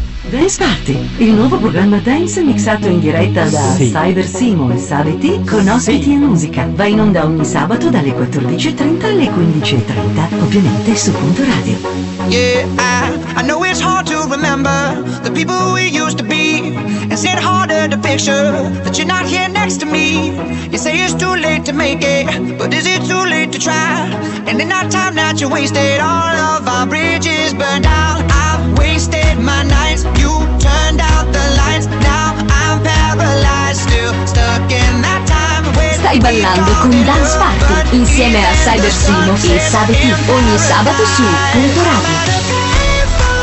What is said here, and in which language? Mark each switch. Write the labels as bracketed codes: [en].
[it] Dance Party, il nuovo programma dance mixato in diretta da Cyber Simo e Sabeti con ospiti e musica. Va in onda ogni sabato dalle 14.30 alle 15.30, ovviamente su Punto Radio. [en] Yeah, I know it's hard to remember the people we used to be. Is it harder to picture that you're not here next to me? You say it's too late to make it, but is it too late to try? And in our time that you wasted, all of our bridges burned out. Wasted my nights, you turned out the lights. Now I'm paralyzed, still stuck in that time. [it] When stai ballando con Dance Party insieme a Cyber Simo e Sabeti ogni sabato su Punto Radio.